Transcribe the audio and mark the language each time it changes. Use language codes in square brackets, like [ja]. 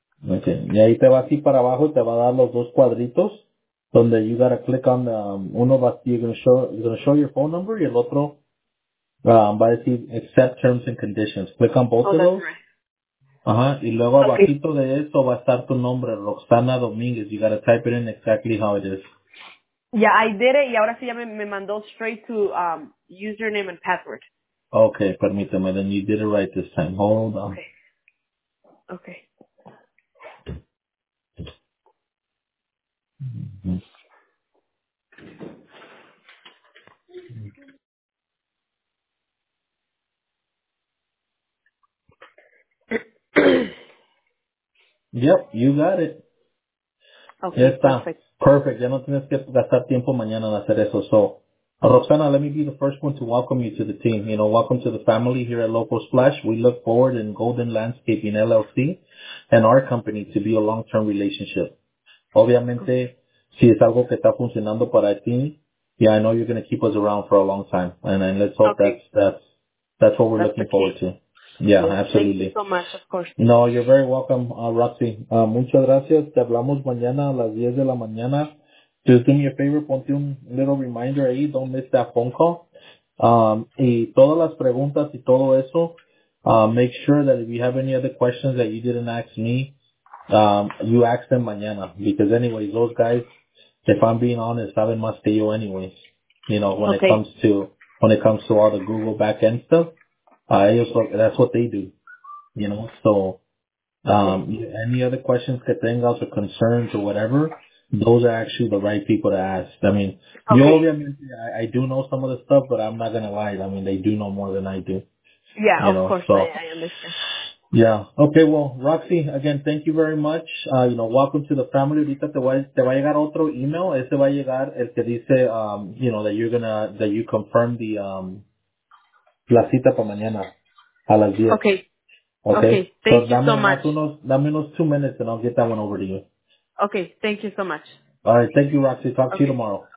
[es] Okay, y ahí te va así para abajo y te va a dar los dos cuadritos donde [en] you gotta click on the, [es] uno va a decir, [en] you're gonna show your phone number [es] y el otro va a decir, [en] accept terms and conditions. Click on both of those. Right. [es] Ajá, y luego abajito de esto va a estar tu nombre, Roxana Domínguez. [en] You gotta type it in exactly how it is. Yeah, I did it, [es] y ahora sí ya me mandó [en] straight to username and password. Okay, [es] permíteme, [en] then you did it right this time. Hold on. Okay. Yep, you got it. Okay, [es] ya está. [en] Perfect. [es] Ya no tienes que gastar tiempo mañana en hacer eso. [en] So, Roxana, let me be the first one to welcome you to the team. You know, welcome to the family here at Local Splash. We look forward in Golden Landscaping LLC and our company to be a long-term relationship. [es] Obviamente, si es algo que está funcionando para ti, [en] yeah, I know you're going to keep us around for a long time. And let's hope that's what we're looking forward to. Yeah, absolutely. Thank you so much, of course. No, you're very welcome, Roxy. [es] Muchas gracias. Te hablamos mañana a las 10 de la mañana. [en] Just do me a favor, [es] ponte un [en] little reminder [es] ahí. [en] Don't miss that phone call. [es] Y todas las preguntas y todo eso, [en] make sure that if you have any other questions that you didn't ask me, you ask them [es] mañana. [en] Because anyways, those guys, if I'm being honest, [es] saben más que yo [en] anyways. You know, when it comes to all the Google backend stuff. That's what they do, you know. So, any other questions [es] que tengas [en] or concerns or whatever, those are actually the right people to ask. I mean, you obviously, I do know some of the stuff, but I'm not going to lie. I mean, they do know more than I do. Yeah, you know? Of course. So, I understand. Yeah. Okay, well, Roxy, again, thank you very much. You know, welcome to the family. [es] Ahorita te va a llegar otro email. Ese va a llegar el que dice, [en] you know, that you confirm the, [es] la cita para mañana a las 10. [en] Okay. Thank you so much. [es] Dame unos [en] 2 minutes and I'll get that one over to you. Okay. Thank you so much. All right. Thank you, Roxy. Talk to you tomorrow.